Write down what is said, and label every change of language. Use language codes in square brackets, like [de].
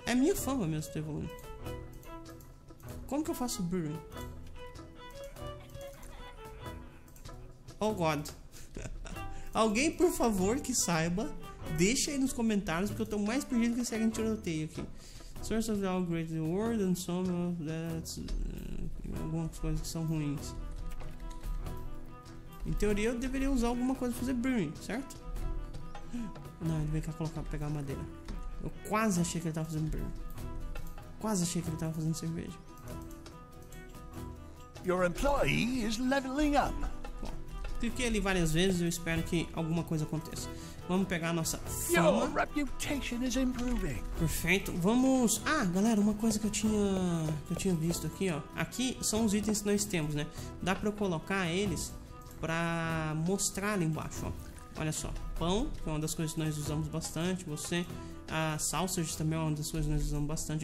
[pt] É minha fama mesmo ter evoluído. Como que eu faço brewing? [en] Oh God. [pt] Alguém, por favor, que saiba, deixa aí nos comentários, porque eu tô mais perdido que esse agente tiroteio aqui. [en] Source of all great world and some of that. [pt] Algumas coisas que são ruins. Em teoria, eu deveria usar alguma coisa pra fazer brewing, certo? Não, ele vem cá colocar, pegar madeira. Eu quase achei que ele tava fazendo brew. Quase achei que ele tava fazendo cerveja. [en] Your employee is leveling up. [pt] Bom, cliquei ali várias vezes e eu espero que alguma coisa aconteça. Vamos pegar a nossa fama. [en] Your reputation is improving. [pt] Perfeito. Vamos... Ah, galera, uma coisa que eu tinha visto aqui, ó. Aqui são os itens que nós temos, né? Dá pra eu colocar eles pra mostrar ali embaixo, ó. Olha só. Pão, que é uma das coisas que nós usamos bastante. Você... A sausage também é uma das coisas que nós usamos bastante.